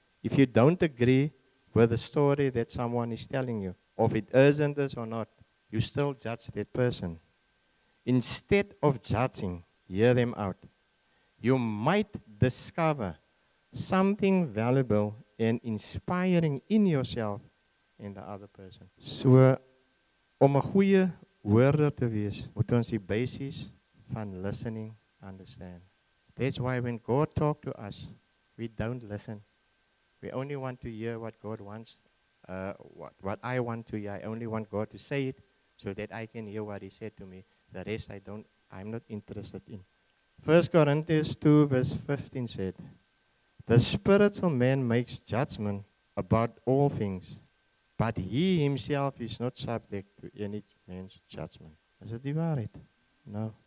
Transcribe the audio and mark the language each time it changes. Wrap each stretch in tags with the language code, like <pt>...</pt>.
<en>If you don't agree with the story that someone is telling you, or if it isn't this or not, you still judge that person. Instead of judging, hear them out. You might discover something valuable and inspiring in yourself and the other person.</en> <af>So, om 'n goeie hoorder te wees, moet ons die basis van</af> <en>listening understand. That's why when God talk to us, we don't listen. We only want to hear what God wants, what I want to hear. I only want God to say it so that I can hear what he said to me. The rest I'm not interested in. 1 Corinthians 2 verse 15 said, the spiritual man makes judgment about all things, but he himself is not subject to any man's judgment. Is it the waarheid? No.</en>